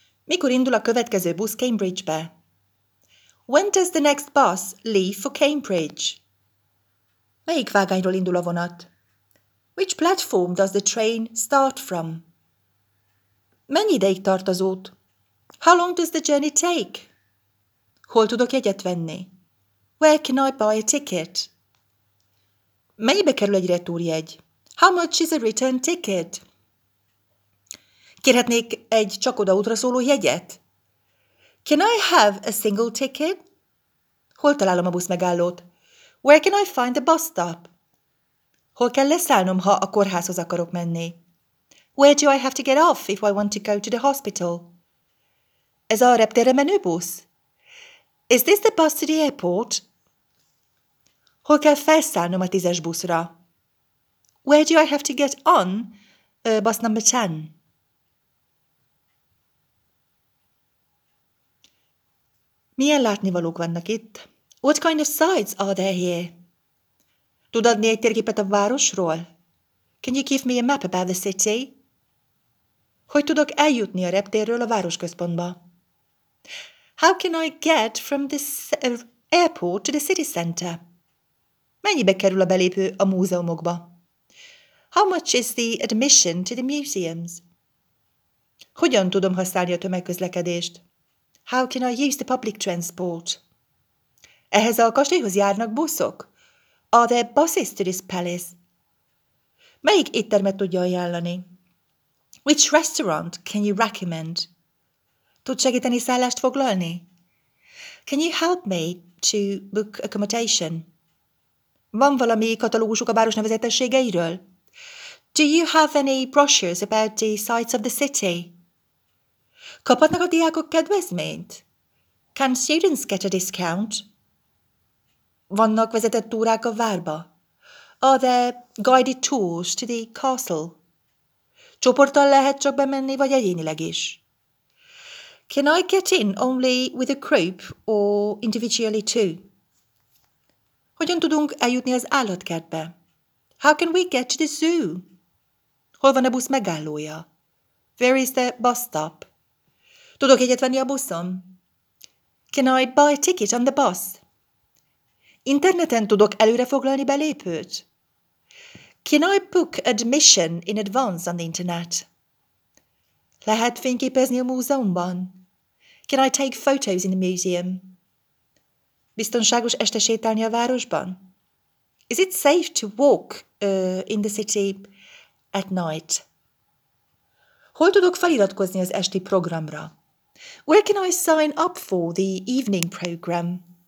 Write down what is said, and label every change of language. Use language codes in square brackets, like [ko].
[hu] Mikor indul a következő busz Cambridge-be? [en] When does the next bus leave for Cambridge? [hu] Melyik vágányról indul a vonat? [en] Which platform does the train start from? [hu] Mennyi ideig tart az út? [en] How long does the journey take? [hu] Hol tudok jegyet venni? [en] Where can I buy a ticket? [hu] Mennyibe kerül egy retúrjegy? [en] How much is a return ticket? [hu] Kérhetnék egy csak oda útra szóló jegyet? [en] Can I have a single ticket? [hu] Hol találom a busz megállót? [en] Where can I find the bus stop? [hu] Hol kell leszállnom, ha a kórházhoz akarok menni? [en] Where do I have to get off if I want to go to the hospital? [hu] Ez a reptérre menő busz? [en] Is this the bus to the airport? [hu] Hol kell felszállnom a 10-es buszra? [en] Where do I have to get on bus number 10? [hu] Milyen látnivalók vannak itt? [en] What kind of sights are there here? [hu] Tud adni egy térképet a városról? [en] Can you give me a map about the city? [hu] Hogy tudok eljutni a reptérről a városközpontba? [en] How can I get from the airport to the city center? [hu] Mennyibe kerül a belépő a múzeumokba? [en] How much is the admission to the museums? [hu] Hogyan tudom használni a tömegközlekedést? [en] How can I use the public transport? [hu] Ehhez a kastélyhoz járnak buszok? [en] Are there buses to this palace? [hu] Melyik éttermet tudja ajánlani? [en] Which restaurant can you recommend? [hu] Tud segíteni szállást foglalni? [en] Can you help me to book accommodation? [hu] Van valami katalógusuk a város nevezetességeiről? [en] Do you have any brochures about the sights of the city? [hu] Kaphatnak a diákok kedvezményt? [en] Can students get a discount? [hu] Vannak vezetett túrák a várba? [en] Are there guided tours to the castle? [hu] Csoporttal lehet csak bemenni, vagy egyénileg is? [en] Can I get in only with a group or individually too? [hu] Hogyan tudunk eljutni az állatkertbe? [en] How can we get to the zoo? [hu] Hol van a busz megállója? [en] Where is the bus stop? [hu] Tudok egyet venni a buszon? [en] Can I buy a ticket on the bus? [hu] Interneten tudok előre foglalni belépőt? [en] Can I book admission in advance on the internet? [hu] Lehet fényképezni a múzeumban? [en] Can I take photos in the museum? [hu] Biztonságos este sétálni a városban? [en] Is it safe to walk in the city at night? [hu] Hol tudok feliratkozni az esti programra? [en] Where can I sign up for the evening program?